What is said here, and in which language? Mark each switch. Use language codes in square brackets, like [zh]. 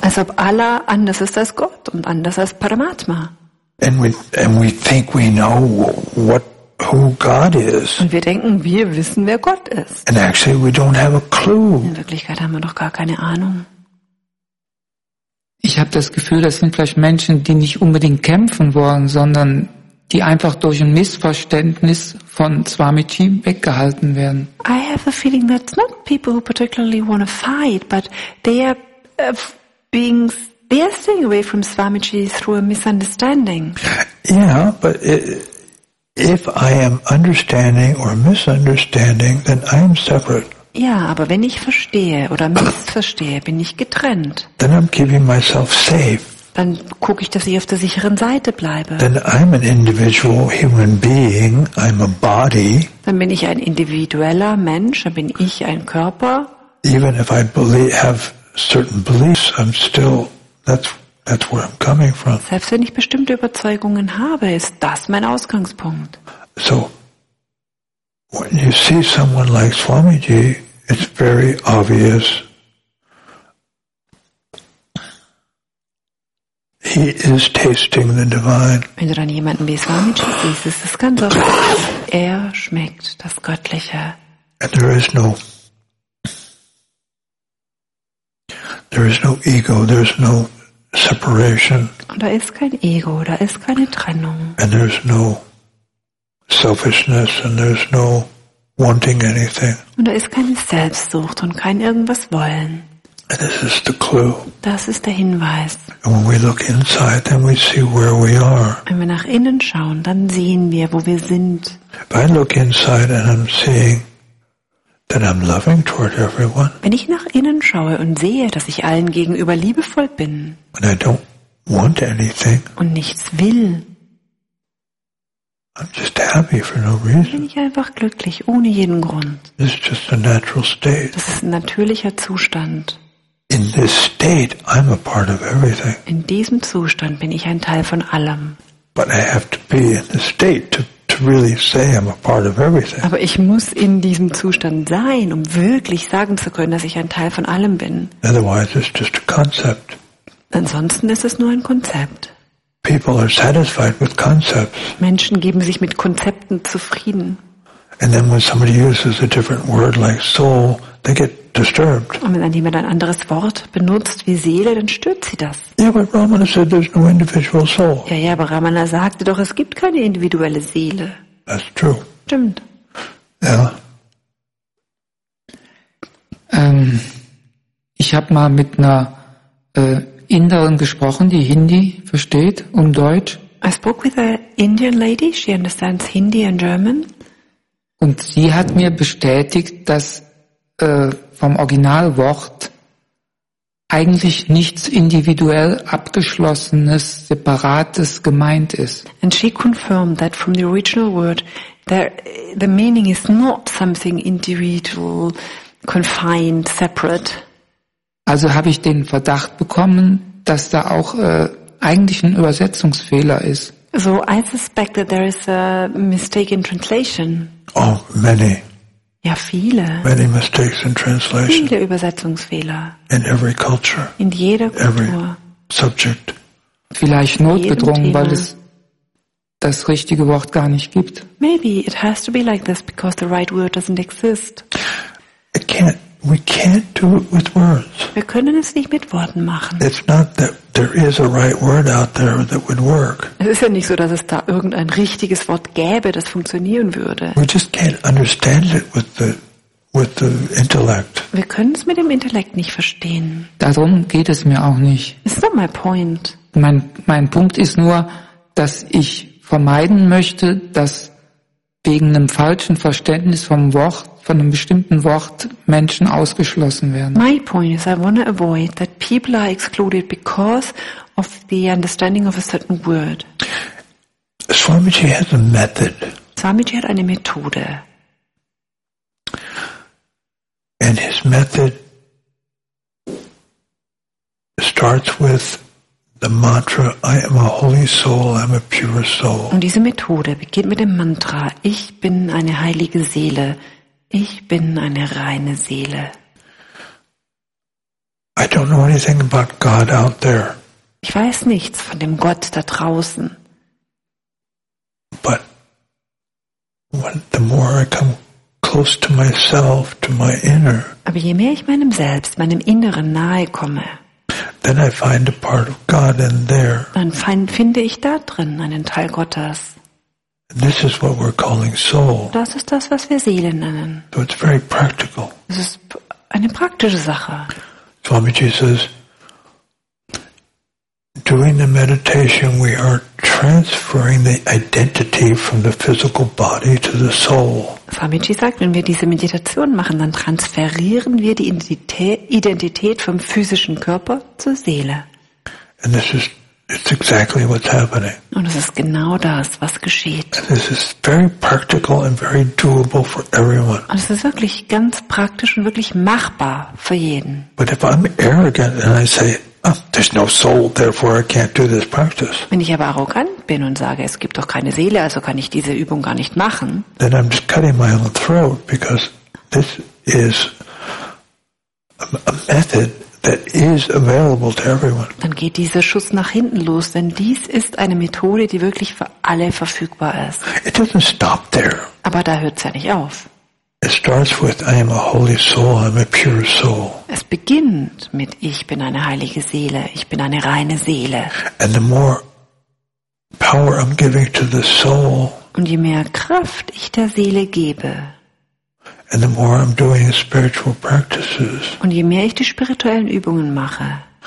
[de] Als ob Allah anders ist als Gott und anders als Paramatma. [en] And we think we know who God is. [de] Und wir denken, wir wissen, wer Gott ist. [en] And actually, we don't have a clue. [de] In Wirklichkeit haben wir doch gar keine Ahnung. Ich habe das Gefühl, das sind vielleicht Menschen, die nicht unbedingt kämpfen wollen, sondern die einfach durch ein Missverständnis von Swamiji weggehalten werden. [en] I have a feeling that's not people who particularly want to fight, but they are staying away from Swamiji through a misunderstanding. Yeah, but if I am understanding or misunderstanding, then I am separate. [de] Ja, aber wenn ich verstehe oder missverstehe, bin ich getrennt. [en] Then I'm keeping myself safe. [de] Dann gucke ich, dass ich auf der sicheren Seite bleibe. [en] Then I'm an individual human being. I'm a body. [de] Dann bin ich ein individueller Mensch, dann bin ich ein Körper. [en] Even if I believe, have certain beliefs, I'm still, that's where I'm coming from. [de] Selbst wenn ich bestimmte Überzeugungen habe, ist das mein Ausgangspunkt. [en] So, when you see someone like Swamiji, it's very obvious. He is tasting the divine. [de] Wenn du dann jemanden wie Swamiji siehst, ist es ganz offen. Er schmeckt das Göttliche. [en] And there is no ego, there is no separation. [de] Und da ist kein Ego, da ist keine Trennung. [en] And there's no selfishness and there's no wanting anything. [de] Und da ist keine Selbstsucht und kein irgendwas wollen. [en] And this is the clue. [de] Das ist der Hinweis. [en] And when we look inside, then we see where we are. [de] Wenn wir nach innen schauen, dann sehen wir, wo wir sind. [en] If I look inside and I'm seeing that I'm loving toward everyone. [de] Wenn ich nach innen schaue und sehe, dass ich allen gegenüber liebevoll bin. [en] And I don't want anything. [de] Und nichts will. [en] I'm just happy for no reason. [de] Bin ich einfach glücklich, ohne jeden Grund. [en] This is just a natural state. [de] Das ist ein natürlicher Zustand. [en] In this state, I'm a part of everything. [de] In diesem Zustand bin ich ein Teil von allem. [en] But I have to be in this state to really say I'm a part of everything. [de] Aber ich muss in diesem Zustand sein, um wirklich sagen zu können, dass ich ein Teil von allem bin. [en] Otherwise, it's just a concept. [de] Ansonsten ist es nur ein Konzept. [en] People are satisfied with concepts. [de] Menschen geben sich mit Konzepten zufrieden. [en] And then when somebody uses a different word like soul, they get disturbed. [de] Und wenn jemand ein anderes Wort benutzt wie Seele, dann stört sie das. [en] Yeah, but Ramana said there's no individual soul. [de] Ja, aber Ramana sagte doch, es gibt keine individuelle Seele. [en] That's true. [de] Stimmt. [en] Yeah. [de] Ich habe mal mit einer Inderin gesprochen, die Hindi versteht und Deutsch. [en] I spoke with an Indian lady. She understands Hindi and German. [de] Und sie hat mir bestätigt, dass vom Originalwort eigentlich nichts individuell abgeschlossenes, separates gemeint ist. [en] And she confirmed that from the original word, the meaning is not something individual, confined, separate. [de] Also habe ich den Verdacht bekommen, dass da auch eigentlich ein Übersetzungsfehler ist. [en] So I suspect that there is a mistake in translation. Oh, many. [de] Ja, viele. [en] Many mistakes in translation. [de] Viele Übersetzungsfehler. [en] In every culture. [de] In jeder Kultur. [en] Every subject. [de] Vielleicht notgedrungen, weil es das richtige Wort gar nicht gibt. [en] Maybe it has to be like this because the right word doesn't exist. We can't do it with words. [de] Wir können es nicht mit Worten machen. [en] It's not that there is a right word out there that would work. [de] Es ist ja nicht so, dass es da irgendein richtiges Wort gäbe, das funktionieren würde. [en] We just can't understand it with the intellect. [de] Wir können es mit dem Intellekt nicht verstehen. Darum geht es mir auch nicht. [en] It's not my point. [de] Mein Punkt ist nur, dass ich vermeiden möchte, dass wegen einem falschen Verständnis vom Wort von einem bestimmten Wort Menschen ausgeschlossen werden. [en] My point is I want to avoid that people are excluded because of the understanding of a certain word. Swamiji has a method. [de] Swamiji hat eine Methode. [en] And his method starts with the mantra, I am a holy soul, I am a pure soul. [de] Und diese Methode beginnt mit dem Mantra, ich bin eine heilige Seele. Ich bin eine reine Seele. [en] I don't know anything about God out there. [de] Ich weiß nichts von dem Gott da draußen. [en] But the more I come close to myself, to my inner. [de] Aber je mehr ich meinem Selbst, meinem Inneren nahe komme, [en] then I find a part of God in there. [de] Dann finde ich da drin einen Teil Gottes. [en] This is what we're calling soul. [de] Das ist das, was wir Seele nennen. [en] So it's very practical. [de] Es ist eine praktische Sache. [en] Swamiji says, during the meditation, we are transferring the identity from the physical body to the soul. [de] Swamiji sagt, wenn wir diese Meditation machen, dann transferieren wir die Identität vom physischen Körper zur Seele. [en] And this is. It's exactly what's happening. [de] Und es ist genau das, was geschieht. [en] This is very practical and very doable for everyone. [de] Und es ist wirklich ganz praktisch und wirklich machbar für jeden. [en] But if I'm arrogant and I say, oh, there's no soul, therefore I can't do this practice. [de] Wenn ich aber arrogant bin und sage, es gibt doch keine Seele, also kann ich diese Übung gar nicht machen. [en] Then I'm just cutting my own throat because this is a method that is available to everyone. [de] Dann geht dieser Schuss nach hinten los, denn dies ist eine Methode, die wirklich für alle verfügbar ist. [en] It doesn't stop there. [de] Aber da hört's ja nicht auf. [en] It starts with I am a holy soul, I'm a pure soul. [de] Es beginnt mit ich bin eine heilige Seele, ich bin eine reine Seele. [en] And the more power I'm giving to the soul, [de] und je mehr Kraft ich der Seele gebe, [en] and the more I'm doing spiritual practices, [de] und je mehr ich die spirituellen Übungen mache,